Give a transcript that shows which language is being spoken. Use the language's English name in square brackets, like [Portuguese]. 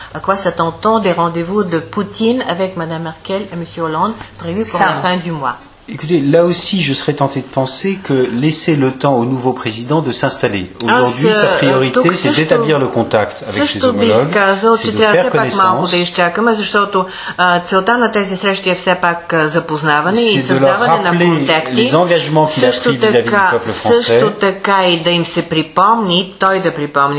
[French] À quoi s'attend-on des rendez-vous de Poutine avec Madame Merkel et Monsieur Hollande prévus pour la fin du mois? Écoutez, là aussi, je serais tenté de penser que laisser le temps au nouveau président de s'installer. Aujourd'hui, sa priorité, c'est d'établir le contact avec ses homologues, c'est de faire connaissance. [Bulgarian] Да изчакаме, защото целта на тези срещи е все пак запознаване и създаване на контакти. [French] Les engagements qu'il a pris vis-à-vis du peuple français. [Bulgarian] Също така и да им се припомни, той да припомни